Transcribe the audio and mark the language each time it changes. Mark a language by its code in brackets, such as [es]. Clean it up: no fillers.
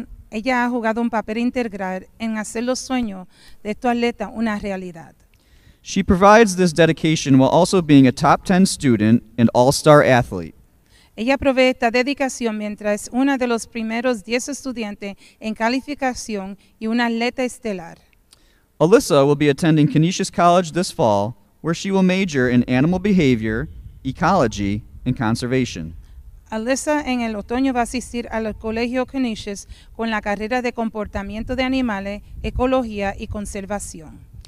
[es] Ella ha jugado un papel integral en hacer los sueños de estos atletas una realidad. [en] She provides this dedication while also being a top 10 student and all-star athlete. [es] Ella provee esta dedicación mientras es una de los primeros 10 estudiantes en calificación y una atleta estelar. [en] Alyssa will be attending Canisius College this fall, where she will major in animal behavior, ecology, and conservation. [es] Alyssa en el otoño va a asistir al Colegio Canisius con la carrera de comportamiento de animales, ecología, y conservación.